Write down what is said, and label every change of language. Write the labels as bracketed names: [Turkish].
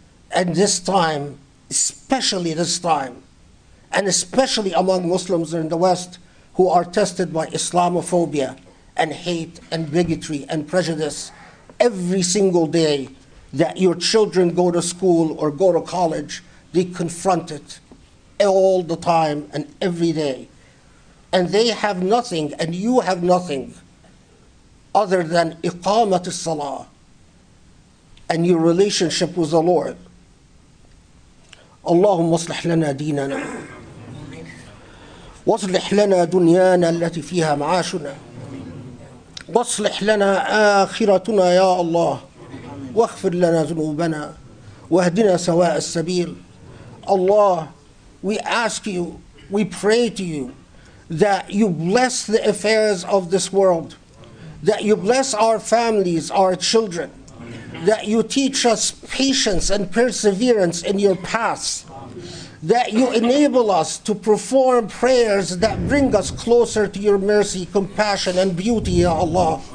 [English] And this time, especially this time, and especially among Muslims in the West who are tested by Islamophobia and hate and bigotry and prejudice every single day, that your children go to school or go to college, they confront it all the time and every day. And they have nothing, and you have nothing, other than iqamat as-salah and your relationship with the Lord. [Arabic] Allahumma aslih lana deenana. واصلح لنا دنيانا التي فيها معاشنا واصلح لنا آخرتنا يا الله واغفر لنا ذنوبنا واهدنا سواء السبيل. [English] Allah, we ask you, we pray to you, that you bless the affairs of this world, that you bless our families, our children, that you teach us patience and perseverance in your paths, that you enable us to perform prayers that bring us closer to your mercy, compassion, and beauty, ya Allah.